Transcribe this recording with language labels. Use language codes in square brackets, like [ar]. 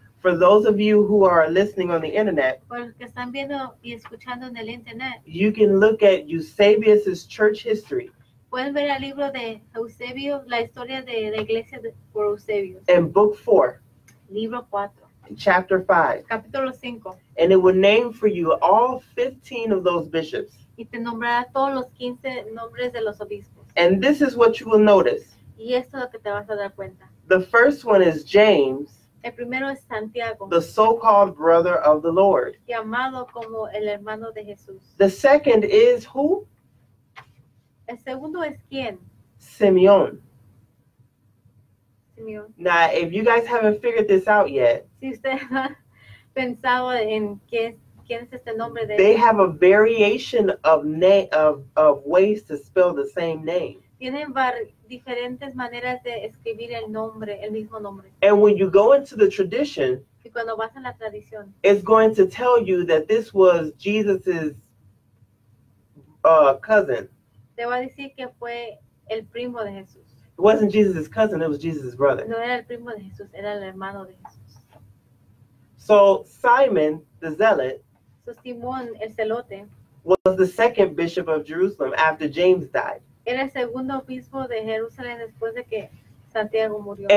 [en] For those of you who are listening on the internet, [es] porque están viendo y escuchando en el internet, [en] you can look at Eusebius's church history. [es] Pueden ver el libro de Eusebio, la historia de la iglesia por Eusebio. [en] In book 4. [es] Libro 4. [en] Chapter 5. [es] Capítulo 5. [en] And it will name for you all 15 of those bishops. [es] Y te nombrará todos los 15 nombres de los obispos. [en] And this is what you will notice. [es] Y esto es lo que te vas a dar cuenta. [en] The first one is James. [es] El primero es Santiago. [en] The so-called brother of the Lord. [es] Llamado como el hermano de Jesús. [en] The second is who? [es] El segundo es quién? [en] Simeón. [es] Simeón. [en] Now, if you guys haven't figured this out yet. [es] Si usted ha pensado en qué es. ¿Quién es este nombre de [en] they él? Have a variation of of ways to spell the same name. [es] Tienen diferentes maneras de escribir el nombre, el mismo nombre. [en] And when you go into the tradition, [es] y cuando vas a la tradición, [en] it's going to tell you that this was Jesus's cousin. [es] Te va a decir que fue el primo de Jesús. [en] It wasn't Jesus's cousin, it was Jesus's brother. [es] No era el primo de Jesús, era el hermano de Jesús. [en] So Simon the Zealot. [es] So Simón el Celote [en] was the second bishop of Jerusalem after James died. [es] Era el segundo obispo de Jerusalén después de que Santiago murió.